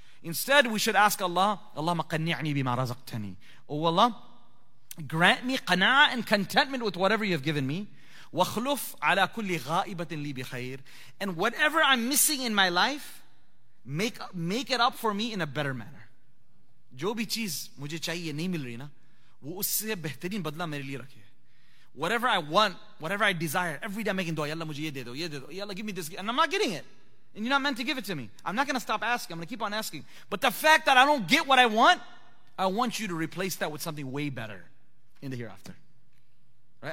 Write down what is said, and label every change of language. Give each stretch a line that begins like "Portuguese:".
English: Instead, we should ask Allah,
Arabic: Allahumma qanni'ni bima razaqtani.
English: Oh Allah, grant me qana'ah and contentment with whatever you have given me.
Arabic: وَخْلُفْ عَلَىٰ كُلِّ غَائِبَةٍ لِي بِخَيْرٍ.
English: And whatever I'm missing in my life, make it up for me in a better manner.
Urdu: جو بھی چیز مجھے چاہیے نہیں مل رہی نا, وہ اس سے بہترین بدلہ میرے لیے رکھے.
English: Whatever I want, whatever I desire, every day I'm making dua, Ya Allah,
Urdu: مجھے یہ دے دو, یہ دے دو.
English: Ya Allah, give me this. And I'm not getting it. And you're not meant to give it to me. I'm not going to stop asking. I'm going to keep on asking. But the fact that I don't get what I want you to replace that with something way better in the hereafter. Right?